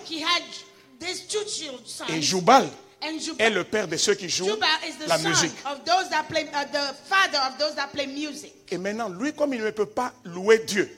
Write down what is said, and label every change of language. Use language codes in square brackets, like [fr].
[en] He had these two children, [fr] et Jubal [en] and Jubal [fr] est le père de ceux qui jouent la musique. [en] The father of those that play music. [fr] Et maintenant, lui, comme il ne peut pas louer Dieu,